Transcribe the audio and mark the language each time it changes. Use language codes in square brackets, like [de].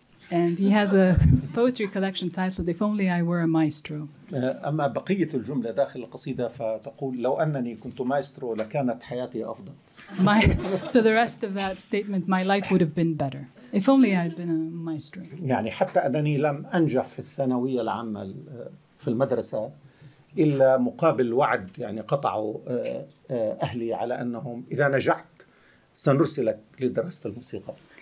[en] And he has a poetry collection titled, If Only I Were a Maestro. [ar] أما بقية الجملة داخل القصيدة فتقول لو أنني كنت مايسترو لكانت حياتي أفضل. [en] So the rest of that statement, my life would have been better. If only I had been a maestro. [ar] يعني حتى أنني لم أنجح في الثانوية العامة في المدرسة إلا مقابل وعد يعني قطعوا أهلي على أنهم إذا نجحت سنرسلك لدراسة الموسيقى.